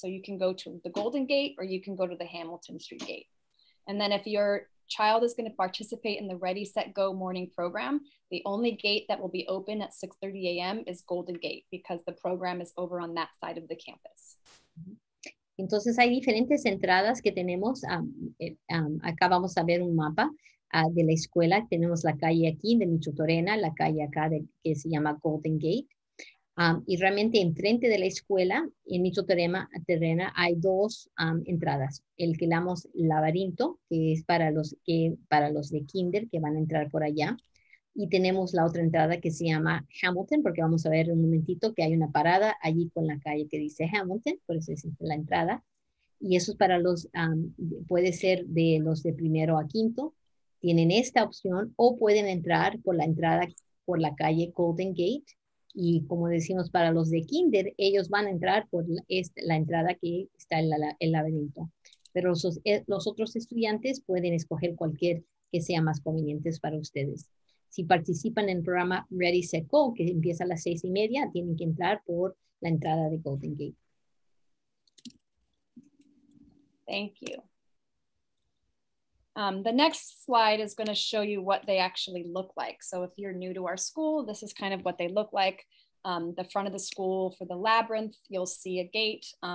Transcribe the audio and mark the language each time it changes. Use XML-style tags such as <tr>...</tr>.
<en>So you can go to the Golden Gate or you can go to the Hamilton Street gate. And then if your child is going to participate in the Ready, Set, Go morning program, the only gate that will be open at 6:30 a.m. is Golden Gate, because the program is over on that side of the campus.</en> <es>Entonces hay diferentes entradas que tenemos. Acá vamos a ver un mapa de la escuela. Tenemos la calle aquí de Micheltorena, la calle acá de, que se llama Golden Gate. Y realmente enfrente de la escuela, en Micheltorena, hay dos entradas. El que llamamos laberinto, que es para los de kinder que van a entrar por allá. Y tenemos la otra entrada que se llama Hamilton, porque vamos a ver un momentito que hay una parada allí con la calle que dice Hamilton, por eso es la entrada. Y eso es para los, puede ser de los de primero a quinto, tienen esta opción, o pueden entrar por la entrada por la calle Golden Gate. Y como decimos, para los de kinder, ellos van a entrar por la entrada que está en el laberinto. Pero los otros estudiantes pueden escoger cualquier que sea más conveniente para ustedes. Si participan en el programa Ready, Set, Go, que empieza a las 6:30, tienen que entrar por la entrada de Golden Gate.</es> <en>Thank you. The next slide is going to show you what they actually look like. So if you're new to our school, this is kind of what they look like. The front of the school for the labyrinth, you'll see a gate.</en>